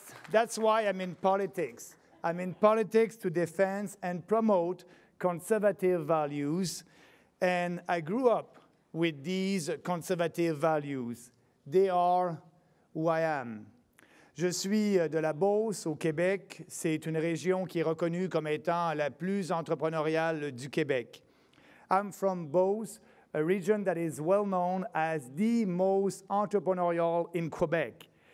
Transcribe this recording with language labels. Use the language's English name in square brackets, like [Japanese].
[English] That's why I'm in politics. I'm in politics to defend and promote conservative values, and I grew up with these conservative values. They are who I am. [French] Je suis de la Beauce, au Québec. C'est une région qui est reconnue comme étant la plus entrepreneuriale du Québec. [English] I'm from Beauce, a region that is well known as the most entrepreneurial in Quebec.